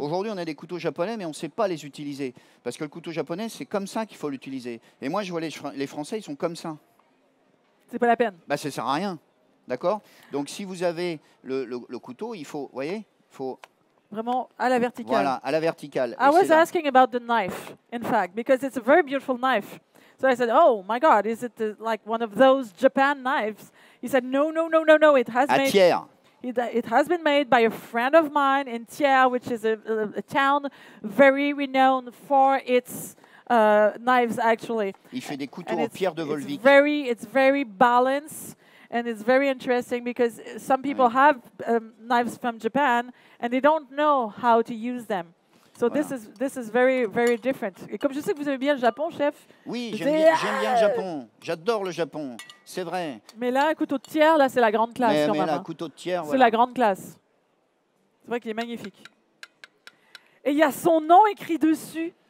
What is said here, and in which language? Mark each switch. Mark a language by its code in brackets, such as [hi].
[fr] Aujourd'hui on a des couteaux japonais mais on ne sait pas les utiliser parce que le couteau japonais c'est comme ça qu'il faut l'utiliser et moi je vois les Français ils sont comme ça. C'est pas la peine. Bah ça sert à rien, d'accord. Donc si vous avez le couteau il faut, voyez, faut vraiment à la verticale. Voilà, à la verticale. [en] I was asking about the knife, in fact, because it's a very beautiful knife. So I said, oh my God, is it like one of those Japan knives? He said, no, no, no, no, no. It has [fr] à Thiers. [en] It has been made by a friend of mine in Thiers, which is a town very renowned for its knives, actually. [fr] Il fait des couteaux en pierre de Volvic. [en] It's very balanced, and it's very interesting because some people have knives from Japan, and they don't know how to use them. So voilà. this is very, very different. [fr] Et comme je sais que vous aimez bien le Japon, chef. Oui, j'aime bien le Japon. J'adore le Japon. C'est vrai. Mais là, un couteau de Thiers, là, c'est la grande classe. Mais là, couteau de Thiers, c'est la grande classe. C'est vrai qu'il est magnifique. Et il y a son nom écrit dessus.